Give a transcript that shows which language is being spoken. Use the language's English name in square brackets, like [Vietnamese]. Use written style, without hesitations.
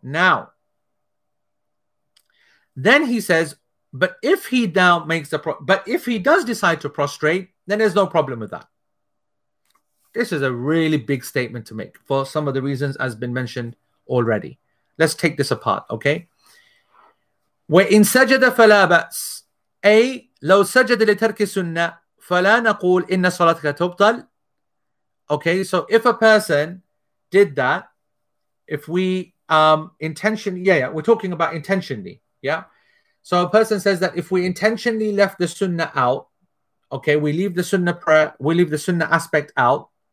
[English] Now, then he says, but if he does decide to prostrate, then there's no problem with that. This is a really big statement to make for some of the reasons as been mentioned already. Let's take this apart, okay? [Arabic] وَإِن سَجَدَ فَلَا بَأْسِ أي لو سجد لترك سنة فلا نقول إن صلاتك تبطل. [English] Okay, so if a person did that, if we intentionally, we're talking about intentionally, yeah? So a person says that if we intentionally left the sunnah out, okay, we leave the sunnah prayer, we leave the sunnah aspect out,